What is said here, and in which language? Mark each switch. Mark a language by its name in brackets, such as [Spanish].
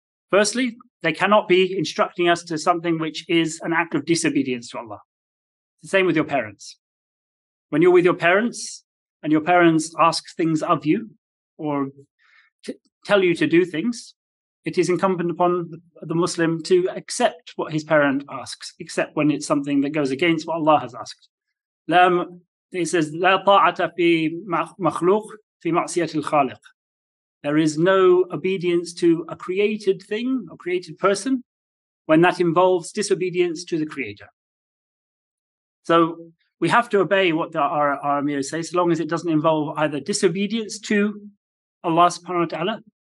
[English] Firstly, they cannot be instructing us to something which is an act of disobedience to Allah. The same with your parents. When you're with your parents and your parents ask things of you or tell you to do things, it is incumbent upon the Muslim to accept what his parent asks, except when it's something that goes against what Allah has asked. He says, [Arabic] لَا طَاعَةَ فِي مَخْلُوقٍ فِي مَعْصِيَةِ الْخَالِقِ. [English] There is no obedience to a created thing or created person when that involves disobedience to the Creator. So we have to obey what our emirs say, so long as it doesn't involve either disobedience to Allah subhanahu wa ta'ala.